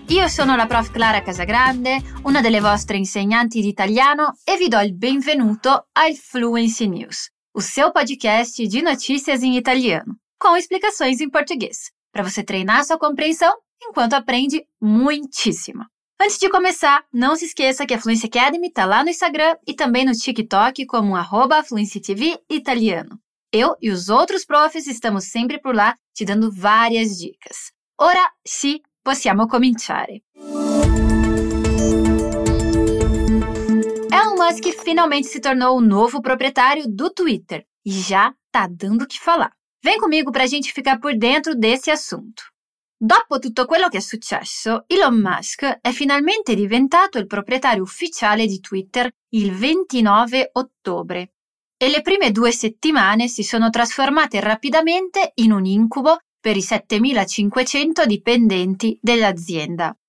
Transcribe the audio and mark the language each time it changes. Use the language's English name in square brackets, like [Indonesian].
[Italian] Io sono la prof Clara Casagrande, una delle vostre insegnanti di italiano, e vi do il benvenuto al Fluency News, [Portuguese] o seu podcast de notícias em italiano, com explicações em português, para você treinar sua compreensão enquanto aprende muitíssimo. Antes de começar, não se esqueça que a Fluency Academy está lá no Instagram e também no TikTok como @fluencytvitaliano. Eu e os outros profs estamos sempre por lá te dando várias dicas. [Italian] Ora sì, possiamo cominciare. [Portuguese] Elon Musk finalmente se tornou o novo proprietário do Twitter e já tá dando o que falar. Vem comigo pra gente ficar por dentro desse assunto. [Italian] Dopo tutto quello che è successo, Elon Musk è finalmente diventato il proprietario ufficiale di Twitter il 29 ottobre. E le prime due settimane si sono trasformate rapidamente in un incubo per i 7.500 dipendenti dell'azienda.